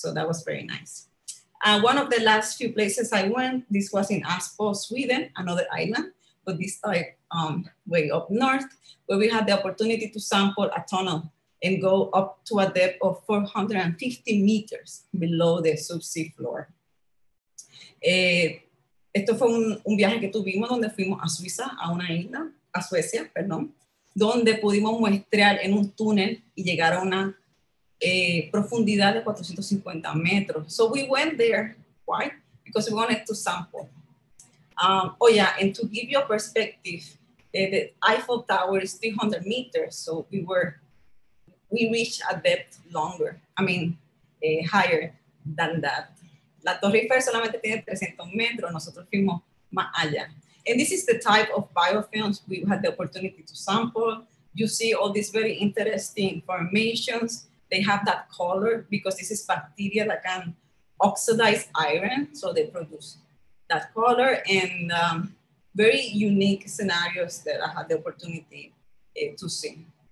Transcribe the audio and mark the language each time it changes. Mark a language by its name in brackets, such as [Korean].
[English] So that was very nice. One of the last few places I went, this was in Aspo, Sweden, another island, but this time way up north, where we had the opportunity to sample a tunnel and go up to a depth of 450 meters below the subsea floor. [Spanish] Esto fue un viaje que tuvimos donde fuimos a Suiza, a una isla, a Suecia, perdón, donde pudimos muestrear en un túnel y llegar a una profundidad de 450 metros. [English] So we went there, why? Because we wanted to sample. Oh yeah, and to give you a perspective, the Eiffel Tower is 300 meters, so we reached a depth longer, I mean, higher than that. [Spanish] La Torre Eiffel solamente tiene 300 metros, nosotros fuimos más allá. [English] And this is the type of biofilms we had the opportunity to sample. You see all these very interesting formations. They have that color because this is bacteria that can oxidize iron, so they produce that color, and very unique scenarios that I had the opportunity to see.